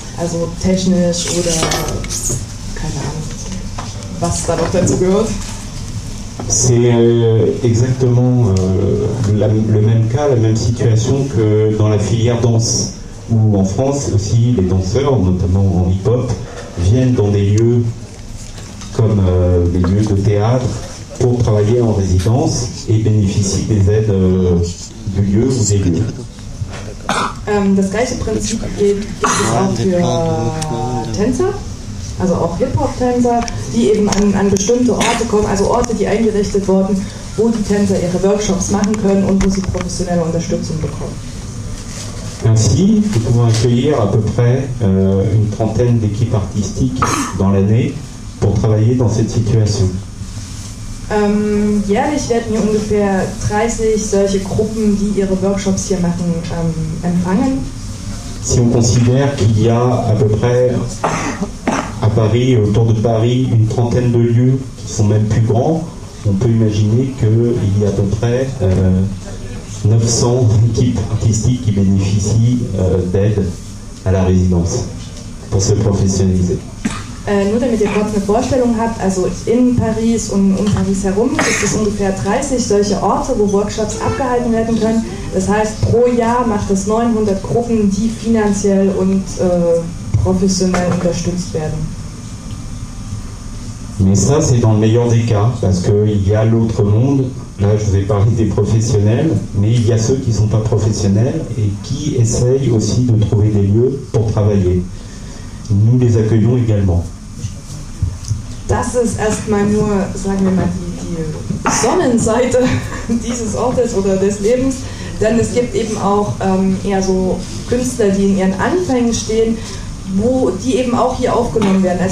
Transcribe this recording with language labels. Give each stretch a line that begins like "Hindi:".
German: Also technisch oder keine Ahnung, was da noch dazu gehört.
French: C'est exactement le même cas, la même situation que dans la filière danse, où en France aussi les danseurs, notamment en hip-hop, viennent dans des lieux comme des lieux de théâtre pour travailler en résidence et bénéficient des aides du lieu ou des lieux.
German: Das gleiche Prinzip gibt es auch für Tänzer, also auch Hip-Hop-Tänzer, die eben an bestimmte Orte kommen, also Orte, die eingerichtet wurden, wo die Tänzer ihre Workshops machen können und wo sie professionelle Unterstützung bekommen.
French: Ainsi, nous pouvons accueillir à peu près une trentaine d'équipes artistiques dans l'année pour travailler dans cette situation.
German: Jährlich werden hier ungefähr 30 solche Gruppen, die ihre Workshops hier machen, empfangen.
French: Si on considère qu'il y a à peu près à Paris, autour de Paris, une trentaine de lieux qui sont même plus grands, on peut imaginer qu'il y a à peu près 900 équipes artistiques qui bénéficient d'aide à la résidence pour se professionnaliser.
German: Nur damit ihr kurz eine Vorstellung habt, also in Paris und um Paris herum gibt es ungefähr 30 solche Orte, wo Workshops abgehalten werden können. Das heißt, pro Jahr macht es 900 Gruppen, die finanziell und professionell unterstützt werden.
French: Mais ça, c'est dans le meilleur des cas, parce qu'il y a l'autre monde. Là, je vous ai parlé des professionnels, mais il y a ceux qui ne sont pas professionnels et qui essayent aussi de trouver des lieux pour travailler. Nous les accueillons également.
German: Das ist erstmal nur, sagen wir mal, die Sonnenseite dieses Ortes oder des Lebens. Denn es gibt eben auch eher so Künstler, die in ihren Anfängen stehen, wo die eben auch hier aufgenommen werden.